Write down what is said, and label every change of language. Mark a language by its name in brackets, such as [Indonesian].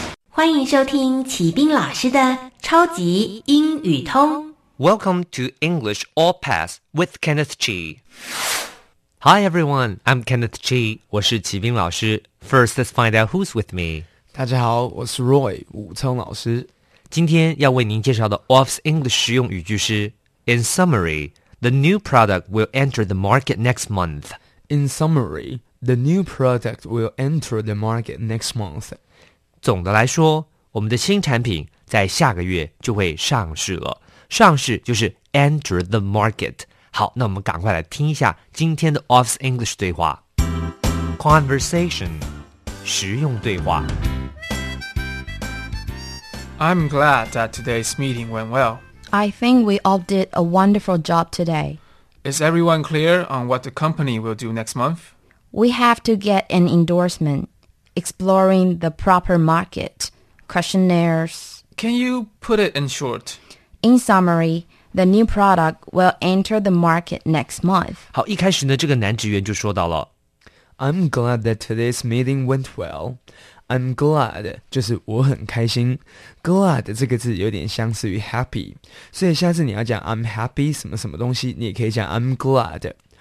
[Chinese] 欢迎收听启斌老师的超级英语通。 [English] Welcome to English All Pass with Kenneth Chi. Hi everyone, I'm Kenneth Chi. [Chinese] 我是启斌老师。 [English] First, let's find out who's with me. [Chinese] 大家好，我是 Roy, 武聪老师。今天要为您介绍的 [English] Off's English [Chinese] 实用语句是 [English] In summary, the new product will enter the market next month. In summary, the new product will enter the market next month. [Chinese] 总的来说，我们的新产品在下个月就会上市了。上市就是 [English] enter the market. [Chinese] 好，那我们赶快来听一下今天的 Office English 对话。 Conversation, 实用对话。 [English] I'm glad that today's meeting went well. I think we all did a wonderful job today. Is everyone clear on what the company will do next month? We have to get an endorsement, exploring the proper market, questionnaires. Can you put it in short? In summary, the new product will enter the market next month. [Chinese] 好，一开始呢，这个男职员就说到了 [English] I'm glad that today's meeting went well. I'm glad [Chinese] 就是我很开心 [English] Glad [Chinese] 这个字有点相似于 [English] happy. [Chinese] 所以下次你要讲 [English] I'm happy [Chinese] 什么什么东西，你也可以讲 [English] I'm glad.